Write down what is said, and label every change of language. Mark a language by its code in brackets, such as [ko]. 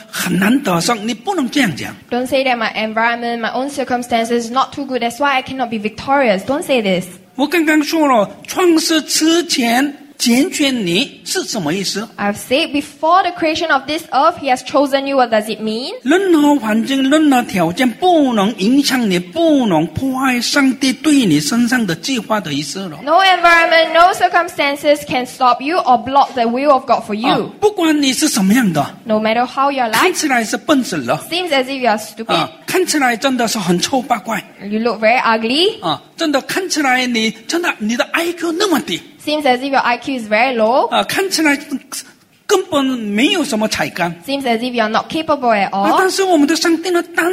[zh] 你不要说，因为我的环境、我的条件，或者是我自己的情况没有那么好，所以呢很难得胜。你不能这样讲。 [en] Don't say that my environment, my own circumstances is not too good. That's why I cannot be victorious. Don't say this. [zh] 我刚刚说了，创世之前。拣选你是什么意思? [en] I've said before the creation of this earth, He has chosen you. What does it mean? [zh] 任何环境、任何条件不能影响你，不能破坏上帝对你身上的计划的意思了。 [en] No environment, no circumstances can stop you or block the will of God for you. [zh] 不管你是什么样的。 [en] No matter how you're like. [zh] 看起来是笨死了。 [en] Seems as if you are stupid. [zh] 看起来真的是很臭八怪。 [en] You look very ugly. [zh] 真的看起来你的 IQ 那么低。 [en] Seems as if your IQ is very low. [zh] 看起来根本没有什么才干。 [en] Seems as if you are not capable at all.